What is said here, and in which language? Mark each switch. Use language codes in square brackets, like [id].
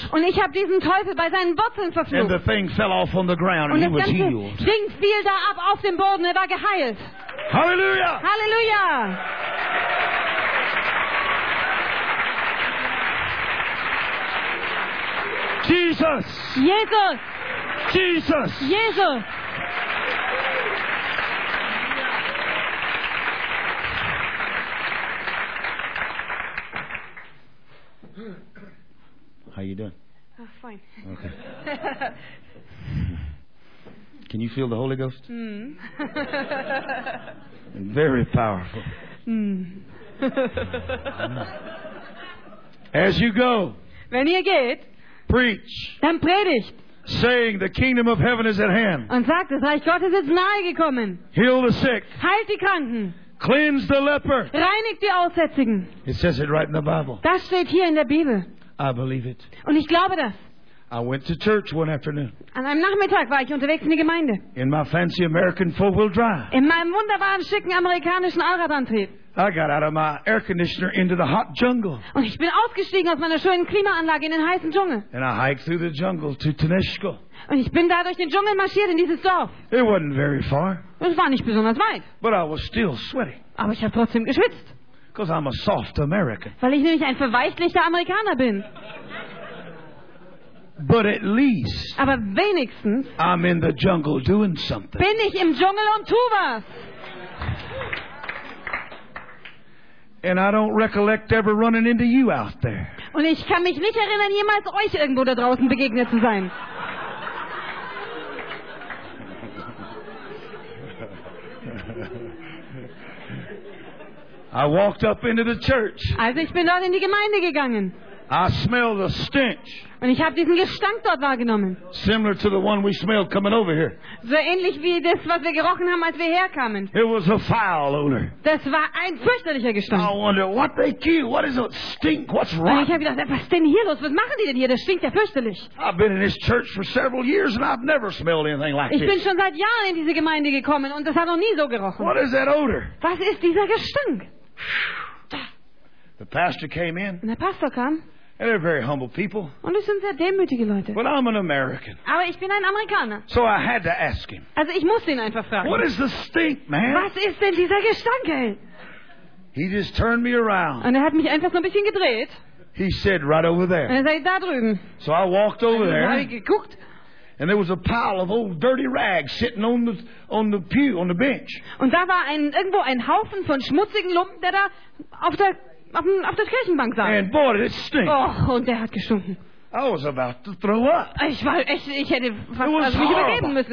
[de] Und ich habe diesen Teufel bei seinen Wurzeln verflucht. [en] And the thing fell off on the ground and he was healed. [de] Und das Ding fiel da ab auf den Boden, war geheilt. [en] Hallelujah. Hallelujah. Jesus. Jesus. Jesus. Jesus. How you doing? Fine. Okay. Can you feel the Holy Ghost? Mm. Very powerful. Mm. As you go. [de] Wenn ihr geht. [en] Preach. [de] Dann predigt. [en] Saying the kingdom of heaven is at hand. [de] Und sagt, das Reich Gottes ist nahe gekommen. [en] Heal the sick. [de] Heilt die Kranken. [en] Cleanse the leper. [de] Reinigt die Aussätzigen. [en] It says it right in the Bible. [de] Das steht hier in der Bibel. [en] I believe it. [de] Und ich glaube das. [en] I went to church one afternoon. [de] An einem Nachmittag war ich unterwegs in die Gemeinde. [en] In my fancy American four-wheel drive. [de] In meinem wunderbaren schicken amerikanischen Allradantrieb. [en] I got out of my air conditioner into the hot jungle. [de] Und ich bin ausgestiegen aus meiner schönen Klimaanlage in den heißen Dschungel. [en] And I hiked through the jungle to Tanishco. [de] Und ich bin da durch den Dschungel marschiert in dieses Dorf. [en] It wasn't very far. [de] Es war nicht besonders weit. [en] But I was still sweating. [de] Aber ich habe trotzdem geschwitzt. [en] Because I'm a soft American. [de] Weil ich nämlich ein verweichlichter Amerikaner bin. [en] But at least, [de] aber wenigstens, [en] I'm in the jungle doing something. [de] Bin ich im Dschungel und tu was. [en] And I don't recollect ever running into you out there. [de] Und ich kann mich nicht erinnern, jemals euch irgendwo da draußen begegnet zu sein. [en] I walked up into the church. [de] Also ich bin dort in die Gemeinde gegangen. [en] I smell the stench. [de] Und ich habe diesen Gestank dort wahrgenommen. [en] Similar to the one we smelled coming over here. [de] So ähnlich wie das, was wir gerochen haben, als wir herkamen. [en] It was a foul odor. [de] Das war ein fürchterlicher Gestank. [en] I wonder what they kill. What is it? Stink? What's wrong? [de] Und ich habe gedacht, was ist denn hier los? Was machen die denn hier? Das stinkt ja fürchterlich. [en] I've been in this church for several years and I've never smelled anything like this. [de] Ich bin schon seit Jahren in diese Gemeinde gekommen und das hat noch nie so gerochen. [en] What is that odor? [de] Was ist dieser Gestank? [en] The pastor came in. [de] Und der Pastor kam. [en] And they're very humble people. [de] Und es sind sehr demütige Leute. [en] But I'm an American. [de] Aber ich bin ein Amerikaner. [en] So I had to ask him. [de] Also ich musste ihn einfach fragen. [en] What is the stink, man? [de] Was ist denn dieser Gestank, ey? [en] He just turned me around. [de] Und hat mich einfach nur ein bisschen gedreht. [en] He said right over there. [de] Und sagt, da drüben. [en] So I walked over [de] und [en] there. [de] Und habe ich geguckt. [en] And there was a pile of old dirty rags sitting on the pew, on the bench. [de] Und da war irgendwo ein Haufen von schmutzigen Lumpen, der da auf der Kirchenbank saß. [en] And boy, did it stink. [de] Oh, und der hat gestunken. [en] I was about to throw up. [de] Ich hätte mich übergeben müssen.